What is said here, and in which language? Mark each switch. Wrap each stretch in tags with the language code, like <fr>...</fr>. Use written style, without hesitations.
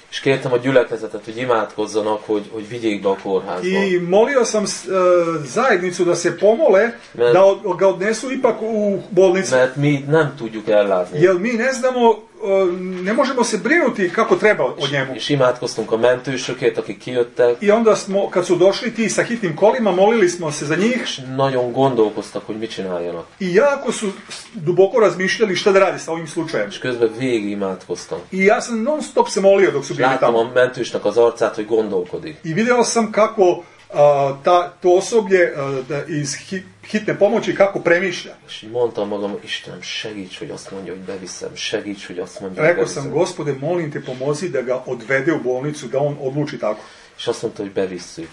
<hu>És kértem a gyülekezetet, hogy imádkozzanak, hogy vigyék be a kórházba.</hu> <sr>I molio sam zajednicu da se pomole,</sr> <hu>mert,</hu> <sr>da ga odnesu ipak u bolnicu.</sr> <hu>Mert mi nem tudjuk ellátni.</hu> <sr>Jel mi ne znamo, ne možemo se brinuti kako treba o njemu.</sr> <hu>És imádkoztunk a mentősökért, akik kijöttek.</hu> <sr>I onda smo, kad su došli ti sa hitnim kolima, molili smo se za njih.</sr> <hu>És nagyon gondolkoztak, hogy mit csináljanak.</hu> <sr>I jako su duboko razmišljali šta da radi sa ovim slučajem.</sr> <hu>És közben végig imádkoztam.</hu> <sr>I ja sam non stop se molio dok su bili tamo.</sr> <hu>Látom a mentősnek az arcát, hogy gondolkodik.</hu> <sr>I vidio sam kako to osoblje iz hitne pomoći kako premišlja.</sr> <hu>És mondtam magam, Istenem, segíts, hogy azt mondja, hogy beviszem, segíts, hogy azt mondja,</hu> <sr>rekao sam, Gospode, molim te, pomozi da ga odvede u bolnicu, da on odluči tako.</sr> <hu>És azt mondta, hogy bevisszük.</hu>